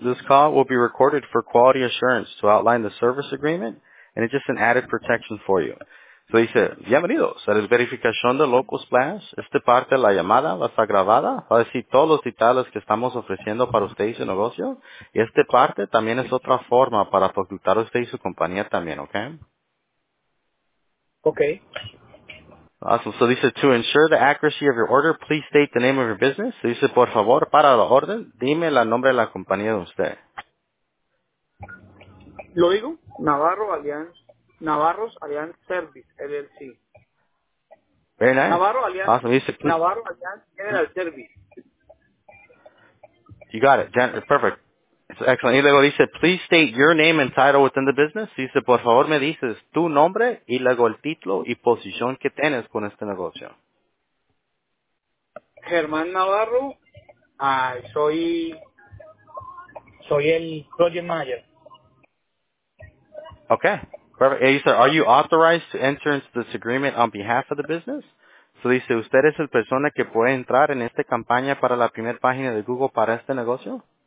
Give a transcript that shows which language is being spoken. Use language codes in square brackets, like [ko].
[en] This call will be recorded for quality assurance to outline the service agreement, and it's just an added protection for you. [es] So dice, bienvenidos a la verificación de Local Splash. Esta parte de la llamada va a estar grabada. Va a decir todos los detalles que estamos ofreciendo para usted y su negocio. Y esta parte también es otra forma para facultar a usted y su compañía también, ¿ok? Ok. [en] Awesome. So dice, to ensure the accuracy of your order, please state the name of your business. [es] So dice, por favor, para la orden, dime el nombre de la compañía de usted. Lo digo, Navarro Alianza. Navarro's Alliance Service, LLC. [en] Very nice. Navarro Alliance, awesome. Navarro Alliance General Service. You got it. Perfect. It's excellent. [es] Y luego dice, [en] please state your name and title within the business. [es] Dice, por favor, me dices tu nombre y luego el título y posición que tienes con este negocio. Germán Navarro, soy el project manager. [en] Okay. Perfect. Hey, sir, are you authorized to enter into this agreement on behalf of the business? [es] So dice, ¿usted es el persona que puede entrar en esta campaña para la primera página de Google para este negocio?